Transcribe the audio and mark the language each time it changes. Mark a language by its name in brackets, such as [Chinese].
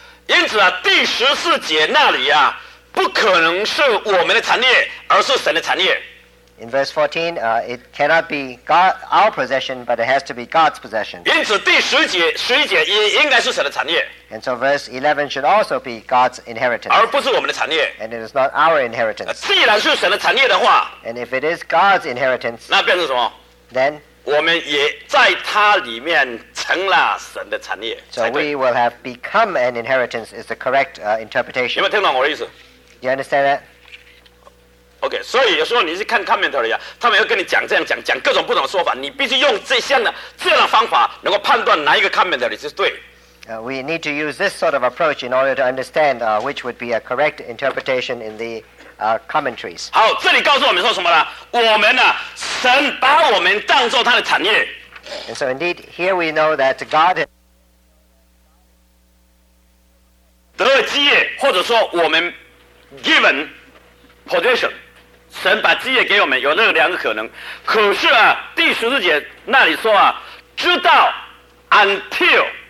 [Chinese] 因此啊，第十四节那里啊，不可能是我们的产业，而是神的产业。 [English] In verse 14, it cannot be God, our possession, but it has to be God's possession. [Chinese] 因此第十节也应该是神的产业。 [English] And so verse 11 should also be God's inheritance. [Chinese] 而不是我们的产业。 [English] And it is not our inheritance. [Chinese] 既然是神的产业的话, [English] and if it is God's inheritance, [Chinese] 那变成什么? [English] Then, [Chinese] 我们也在他里面成了神的产业, [English] so we will have become an inheritance is the correct interpretation. [Chinese] 有没有听懂我的意思? [English] You understand that? [Chinese] Okay, 所以有时候你是看 commentary 他们要跟你讲这样讲各种不同的说法你必须用这样的方法能够判断哪一个 commentary 是对 [English] We need to use this sort of approach in order to understand which would be a correct interpretation in the commentaries [Chinese] 好,这里告诉我们说什么呢?我们啊,神把我们当作他的产业 [English] And so indeed, here we know that God has [Chinese] 得到的基业,或者说我们 [English] given possession [Chinese] 神把基业给我们,有那两个可能,可是啊,第十四节那里说啊,直到 until